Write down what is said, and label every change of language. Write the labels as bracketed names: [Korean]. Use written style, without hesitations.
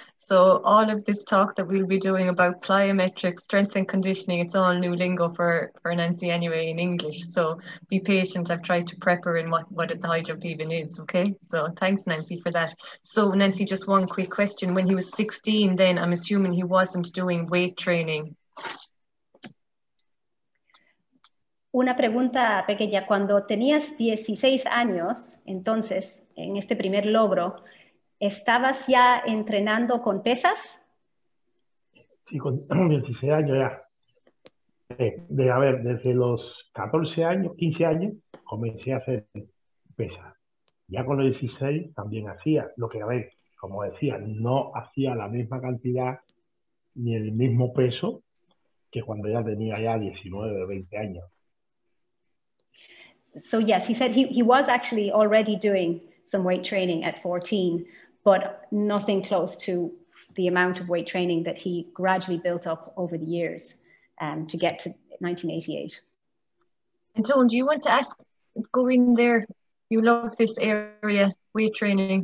[English] So all of this talk that we'll be doing about plyometrics, strength and conditioning, it's all new lingo for Nancy anyway in English. So be patient. I've tried to prep her in what the high jump even is. Okay. So thanks, Nancy, for that. So Nancy, just one quick question. When he was 16, then I'm assuming he wasn't doing weight training. [Spanish] Una pregunta pequeña. Cuando tenías 16 años, entonces, en este primer logro, ¿estabas ya entrenando con pesas? Sí, con 16 años ya. A ver, desde los 14 años, 15 años, comencé a hacer pesas. Ya con los 16 también hacía. Lo que, a ver, como decía, no hacía la misma cantidad ni el mismo peso que cuando ya tenía ya 19, 20 años. [English] So yes, he said he was actually already doing some weight training at 14, but nothing close to the amount of weight training that he gradually built up over the years to get to 1988. And Tone, do you want to ask, going there, you love this area, weight training?